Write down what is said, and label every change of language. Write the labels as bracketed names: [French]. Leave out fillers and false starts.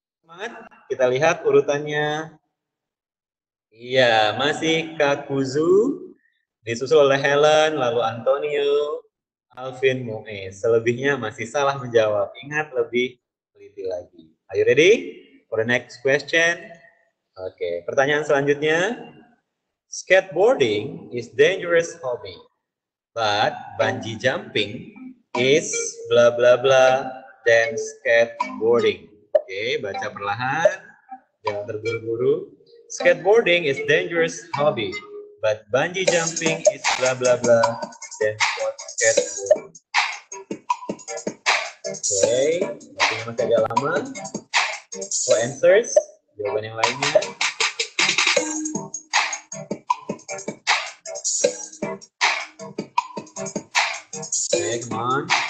[Indonesian] Semangat, kita lihat urutannya. Iya, masih Kakuzu, disusul oleh Helen, lalu Antonio, Alvin Mu'e. Selebihnya masih salah menjawab. Ingat, lebih teliti lagi. [English] Are you ready for the next question? [Indonesian] Oke, pertanyaan selanjutnya. [English] Skateboarding is dangerous hobby, but bungee jumping is bla bla bla than skateboarding. [Indonesian] Oke, baca perlahan, jangan terburu-buru. [English] Skateboarding is dangerous hobby, but bungee jumping is bla bla bla than skateboarding. [Indonesian] Oke, waktunya masih agak lama. [English] For answers, [Indonesian] jawaban yang lainnya. [English] Okay, come on.